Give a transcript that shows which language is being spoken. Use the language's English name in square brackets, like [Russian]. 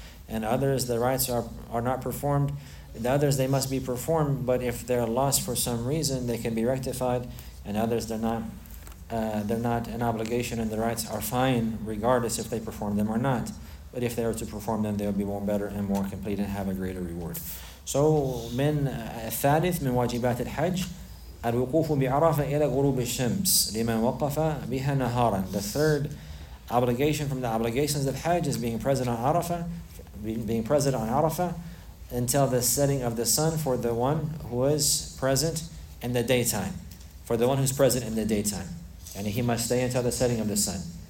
[English] And others, the rites are not performed. The others, they must be performed, but if they're lost for some reason, they can be rectified. And others, they're not an obligation, and the rites are fine regardless if they perform them or not. But if they are to perform them, they'll be more better and more complete and have a greater reward. [Arabic] So, من الثالث من واجبات الحج الوقوف بعرفة إلى غروب الشمس لمن وقف بها نهارا. [English] The third obligation from the obligations of Hajj is being present on Arafah, being present on Arafah until the setting of the sun for the one who is present in the daytime. For the one who's present in the daytime. And he must stay until the setting of the sun.